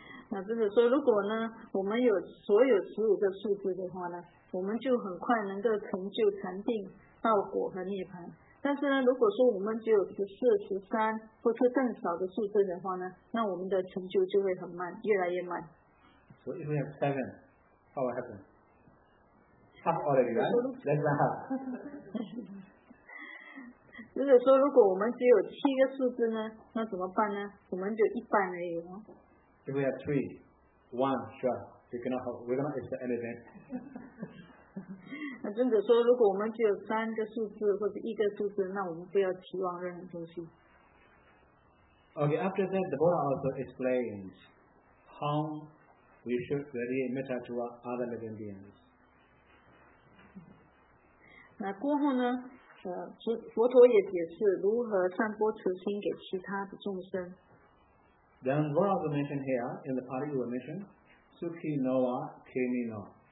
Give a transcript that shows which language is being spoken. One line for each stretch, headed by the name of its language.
Chinese: 那就是说，如果呢，我们有所有十五个数字的话呢，我们就很快能够成就禅定、道果和涅槃。但是呢，如果说我们只有十四、十三，或是更少的数字的话呢，那我们的成就就会很慢，越来越慢。
English: So if we have seven, how will happen? Half already, right? Less than half.
Chinese: 就是说，如果我们只有七个数字呢，那怎么办呢？我们就一半而已哦。
English: If we have three, one, sure, we cannot expect anything.
Chinese: 那尊者说，如果我们只有三个数字或者一个数字，那我们不要期望任何东西。
English: Okay, after that, the Buddha also explains how we should relate metta to other living beings.
Chinese: 那过后呢，佛陀也解释如何散播慈心给其他的众生。
English: Then what also mentioned here in the Pali mission, Sukhi Noah Kemi No.